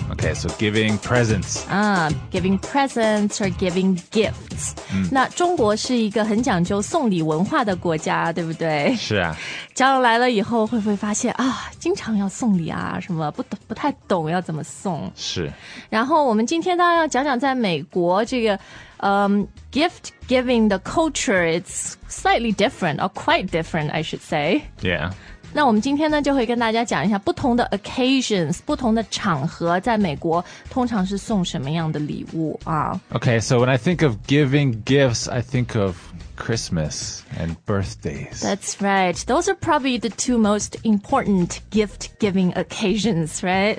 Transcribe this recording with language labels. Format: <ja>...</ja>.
<en>Okay, so giving presents. Giving presents or giving gifts.、</en> <zh>那中国是一个很讲究送礼文化的国家，对不对？是啊。将来了以后，会不会发现啊，经常要送礼啊，什么不太懂要怎么送？是。然后我们今天呢，要讲讲在美国这个</zh> <en>gift giving the culture is slightly different or quite different, I should say. Yeah.</en> <zh>那我们今天呢就会跟大家讲一下不同的 occasions, 不同的场合在美国通常是送什么样的礼物啊。</zh> <en>Okay, so when I think of giving gifts, I think of Christmas and birthdays. That's right. Those are probably the two most important gift giving occasions, right?</en>